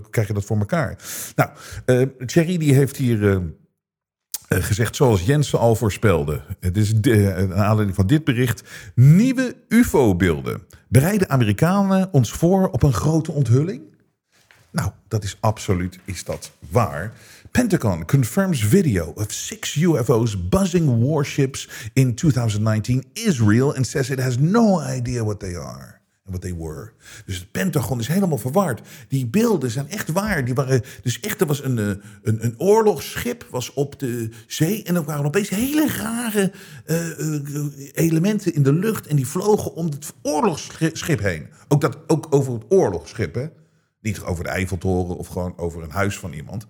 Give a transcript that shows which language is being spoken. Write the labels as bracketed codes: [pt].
[nl] Hoe krijg je dat voor elkaar? Nou, Thierry die heeft hier gezegd zoals Jensen al voorspelde. Het is een aanleiding van dit bericht. Nieuwe UFO-beelden. Bereiden Amerikanen ons voor op een grote onthulling? Nou, dat is absoluut is dat waar. [en] Pentagon confirms video of 6 UFOs buzzing warships in 2019 is real and says it has no idea what they are and what they were. [nl] Dus het Pentagon is helemaal verward. Die beelden zijn echt waar. Die waren, dus echt, er was een oorlogsschip was op de zee en er waren opeens hele rare elementen in de lucht en die vlogen om het oorlogsschip heen. Ook over het oorlogsschip, hè? Niet over de Eiffeltoren of gewoon over een huis van iemand.